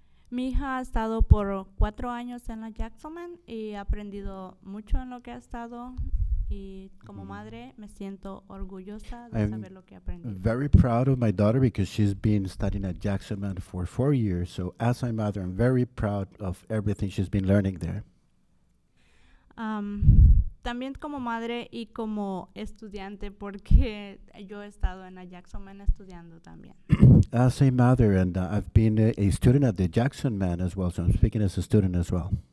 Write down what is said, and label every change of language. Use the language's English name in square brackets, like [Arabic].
[Spanish] Mi hija ha estado por 4 años en la Jackson Man y ha aprendido mucho en lo que ha estado. Y como madre, me siento orgullosa de [English] I'm [Spanish] saber lo que ha aprendido. [English] I'm very proud of my daughter because she's been studying at Jackson Man for 4 years. So as my mother, I'm very proud of everything she's been learning there. [Spanish] También como madre y como estudiante, porque yo he estado en la Jackson Man estudiando también. [English] As a mother, and I've been a student at the Jackson Man as well, so I'm speaking as a student as well.